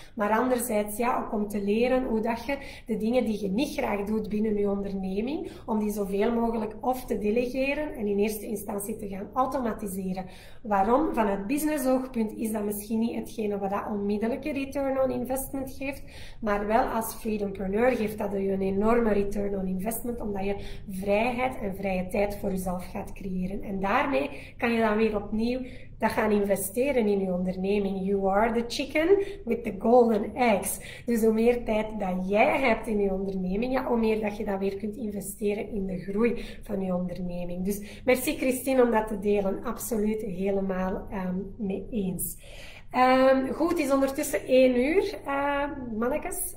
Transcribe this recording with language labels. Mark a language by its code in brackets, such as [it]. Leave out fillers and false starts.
[nl] Maar anderzijds, ja, ook om te leren hoe dat je de dingen die je niet graag doet binnen je onderneming, om die zoveel mogelijk of te delegeren en in eerste instantie te gaan automatiseren. Waarom? Vanuit business-oogpunt is dat misschien niet hetgene wat dat onmiddellijke return on investment geeft, maar wel als freedompreneur geeft dat je een enorme return on investment, omdat je vrijheid en vrije tijd voor jezelf gaat creëren. En daarmee kan je dan weer opnieuw dat gaan investeren in je onderneming. [en] You are the chicken with the golden eggs. [nl] Dus hoe meer tijd dat jij hebt in je onderneming, ja, hoe meer dat je dat weer kunt investeren in de groei van je onderneming. Dus merci Christine om dat te delen. Absoluut helemaal mee eens. Goed, het is ondertussen 1 uur, mannetjes.